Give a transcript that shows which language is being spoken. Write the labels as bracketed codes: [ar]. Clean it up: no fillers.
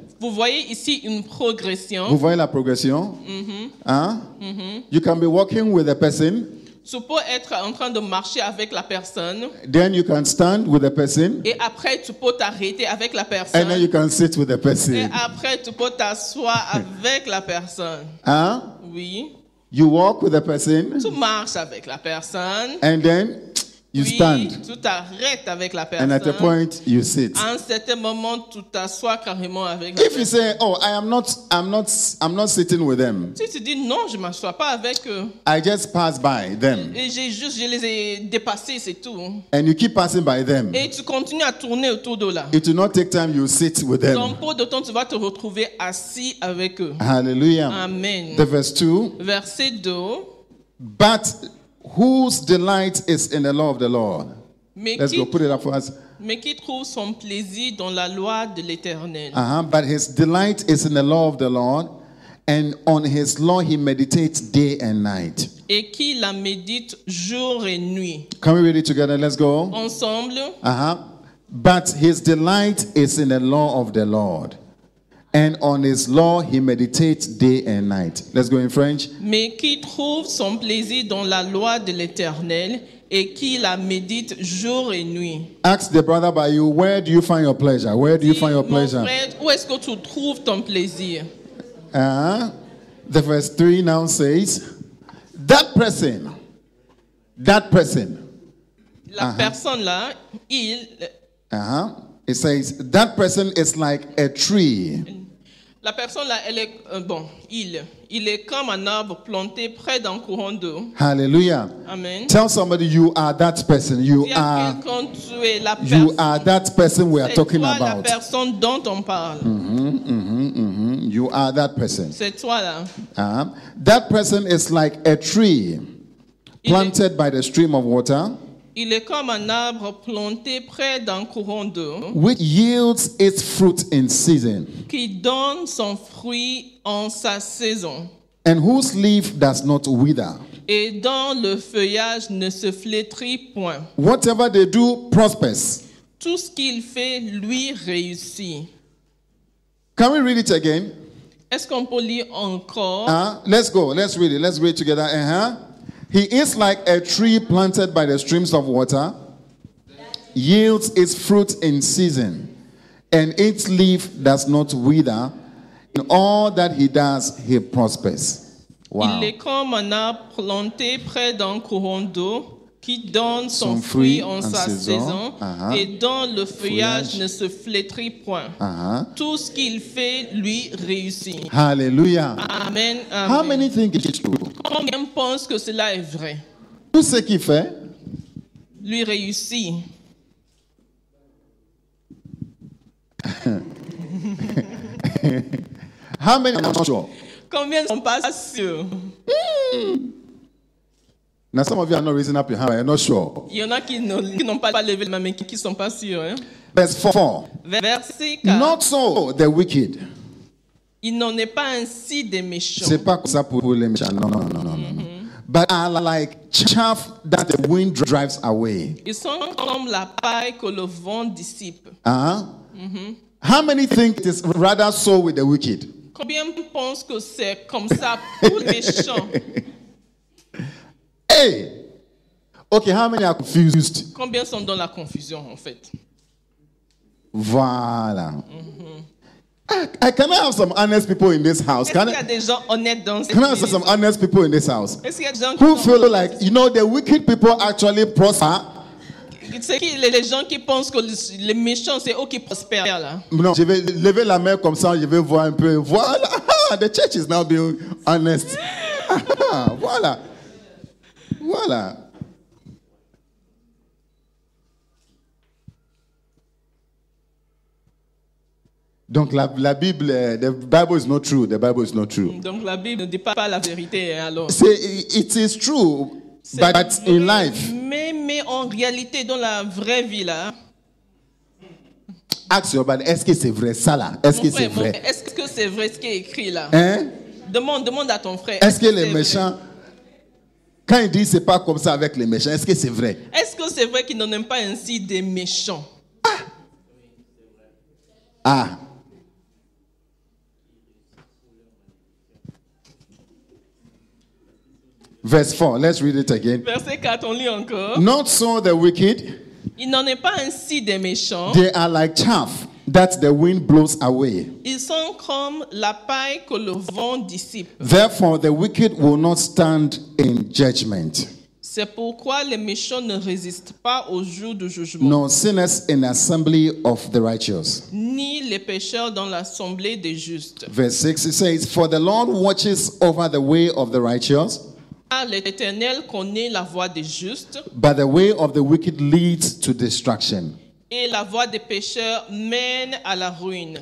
[fr] Vous voyez ici une progression. Vous voyez la progression. [en] You can be walking with a person. [fr] Tu peux être en train de marcher avec la personne. [en] Then you can stand with the person. [fr] Et après, tu peux t'arrêter avec la personne. [en] And then you can sit with the person. [fr] Et après, tu peux t'asseoir avec la personne. Oui. [en] You walk with the person. [fr] Tu marches avec la personne. [en] And then you stand. [fr] Tu t'arrêtes avec la personne. [en] And at a point, you sit. [fr] À un certain moment, tu t'assois carrément avec [en] If you say, oh, I'm not sitting with them. [fr] Si tu dis non, je m'assois pas avec eux. [en] I just pass by them. [fr] Et je les ai dépassés, c'est tout. [en] And you keep passing by them. [fr] Et tu continues à tourner autour de là. [en] It will not take time, you sit with them. [fr] Dans peu de temps, tu vas te retrouver assis avec eux. Hallelujah. Amen. [en] The verse 2. [fr] Verset 2. [en] But whose delight is in the law of the Lord? [fr] Mais [en] Let's go, put it up for us. [fr] Mais qui trouve son plaisir dans la loi de l'Éternel? [en] But his delight is in the law of the Lord, and on his law he meditates day and night. [fr] Et qui la médite jour et nuit? [en] Can we read it together? Let's go. [fr] Ensemble. [en] But his delight is in the law of the Lord. And on his law, he meditates day and night. Let's go in French. [fr] Mais qui trouve son plaisir dans la loi de l'Éternel et qui la médite jour et nuit? [en] Ask the brother by you, where do you find your pleasure? Where do you find your pleasure? [fr] Mon frère, où est-ce que tu trouves ton plaisir? [en] The verse 3 now says, that person. [fr] La personne là, [en] It says, that person is like a tree. [fr] La personne là, elle est bon, il est comme un arbre planté près d'un courant d'eau. Hallelujah. Amen. [en] Tell somebody you are that person. You are. You are that person we are talking about. [fr] C'est toi la personne dont on parle. [en] You are that person. [fr] C'est toi là. [en] That person is like a tree planted by the stream of water. [fr] Il est comme un arbre planté près d'un courant d'eau. [en] Which yields its fruit in season. [fr] Qui donne son fruit en sa saison. [en] And whose leaf does not wither. [fr] Et dont le feuillage ne se flétrit point. [en] Whatever they do prospers. [fr] Tout ce qu'il fait lui réussit. [en] Can we read it again? [fr] Est-ce qu'on peut lire encore? [en] Let's go. Let's read it. Let's read it together. He is like a tree planted by the streams of water, yields its fruit in season, and its leaf does not wither. In all that he does, he prospers. Wow. [fr] Il est comme un arbre planté près d'un courant d'eau qui donne son fruit en sa saison et dont le feuillage ne se flétrit point. Tout ce qu'il fait lui réussit. Hallelujah. Amen. [en] How many think it is true? [fr] Combien pense que cela est vrai? Tout ce qu'il fait lui réussit. [en] How many are not sure? [fr] Combien sont pas sûrs? [en] Now some of you are not raising up your hand. You're not sure. [fr] Il y en a qui n'ont pas levé la main, qui sont pas sûrs. Hein? [en] Verse 4. [fr] Verset 4. Not so the wicked. Il n'en est pas ainsi des méchants. C'est pas ça pour les méchants. Non. [en] But are like chaff that the wind drives away. [fr] Ils sont comme la paille que le vent dissipe. [en] How many think it is rather so with the wicked? [fr] Combien pensent que c'est comme ça pour les méchants? Hey. [en] Okay, how many are confused? [fr] Combien sont dans la confusion en fait? Voilà. [en] I can I have some honest people in this house? [fr] Est-ce qu'il y a des gens honnêtes dans cette maison? [en] Can I have some honest people in this house? [fr] Est-ce qu'il y a des gens [en] who feel like you know the wicked people actually prosper? [fr] C'est qui les gens qui pensent que les méchants c'est eux qui prospèrent là? Non, je vais lever la main comme ça, je vais voir un peu. [en] Voilà, the church is now being honest. Voilà. Voilà. [fr] Donc la Bible, [en] the Bible is not true. The Bible is not true. [fr] Donc la Bible ne dit pas la vérité alors. [en] C'est, it is true, c'est, but in life. [fr] Mais en réalité, dans la vraie vie là. [en] Ask your brother, [fr] est-ce que c'est vrai ça là? Est-ce que c'est vrai? Est-ce que c'est vrai ce qui est écrit là? Hein? Demande à ton frère. Est-ce que les méchants vrai? Quand il dit c'est pas comme ça avec les méchants, est-ce que c'est vrai? Est-ce que c'est vrai qu'il n'en aime pas ainsi des méchants? Ah! [en] Verse 4, let's read it again. [fr] Verset 4, on lit encore. [en] Not so the wicked. [fr] Il n'en est pas ainsi des méchants. [en] They are like chaff that the wind blows away. [fr] Ils sont comme la paille que le vent dissipe. [en] Therefore, the wicked will not stand in judgment. [fr] C'est pourquoi les méchants ne résistent pas au jour du jugement. [en] Nor sinners in the assembly of the righteous. [fr] Ni les pécheurs dans l'assemblée des justes. [en] Verse 6, it says, for the Lord watches over the way of the righteous. [fr] Ah, l'Éternel connaît la voie des justes. [en] But the way of the wicked leads to destruction. [fr] Et la voix des pécheurs mène à la ruine.